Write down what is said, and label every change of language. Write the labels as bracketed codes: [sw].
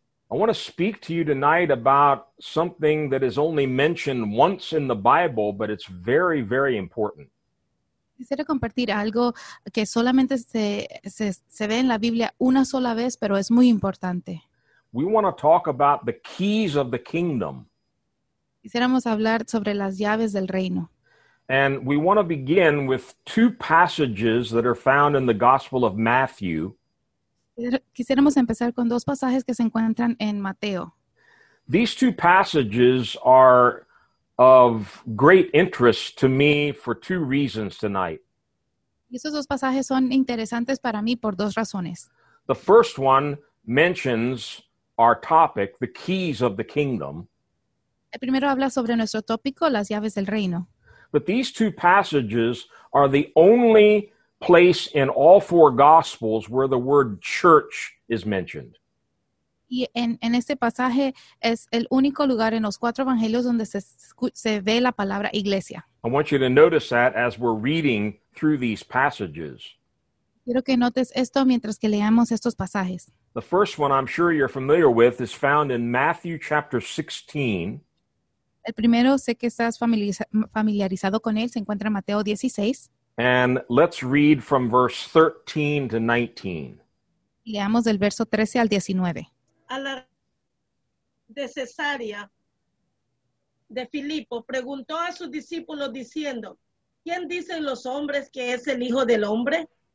[en] I want to speak to you tonight about something that is only mentioned once in the Bible, but it's very, very important. [es] Quisiera compartir algo que solamente se ve en la Biblia una sola vez, pero es muy importante. [en] We want to talk about the keys of the kingdom. [es] Quisiéramos hablar sobre las llaves del reino. [en] And we want to begin with two passages that are found in the Gospel of Matthew. [es] Quisiéramos empezar con dos pasajes que se encuentran en Mateo. [en] These two passages are of great interest to me for two reasons tonight. [es] Esos dos pasajes son interesantes para mí por dos razones. [en] The first one mentions our topic, the keys of the kingdom. [es] El primero habla sobre nuestro tópico, las llaves del reino. [en] But these two passages are the only place in all four gospels where the word church is mentioned. [es] Y en este pasaje es el único lugar en los cuatro evangelios donde se ve la palabra iglesia. [en] I want you to notice that as we're reading through these passages. [es] Quiero que notes esto mientras que leamos estos pasajes. [en] The first one I'm sure you're familiar with is found in Matthew chapter 16. [es] El primero sé que estás familiarizado con él, se encuentra en Mateo 16. [en] And let's read from verse 13 to 19. [es] Leamos del verso 13 al 19. A la de Cesarea de Filipo preguntó a sus discípulos diciendo, ¿quién dicen los hombres que es el Hijo del Hombre?